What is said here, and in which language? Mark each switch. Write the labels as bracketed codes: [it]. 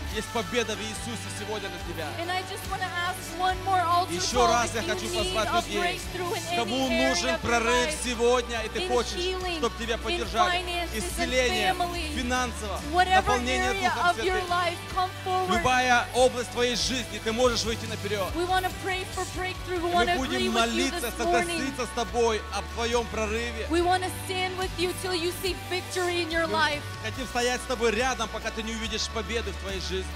[ru] Есть победа в Иисусе сегодня для тебя. [en] And I just want to ask one more altar [ru] еще раз я хочу позвать людей, кому нужен прорыв сегодня, и ты хочешь, чтобы тебя поддержали. Исцеление, финансово, наполнение Духом Святым. Любая область твоей жизни, ты можешь выйти наперед. [en] We want to pray for breakthrough. We [ru] мы будем молиться, согласиться с тобой об твоем прорыве. [en] We want to stand with you till you see victory in your life. [ru] Мы хотим стоять с тобой рядом, пока ты не увидишь победы в твоей жизни.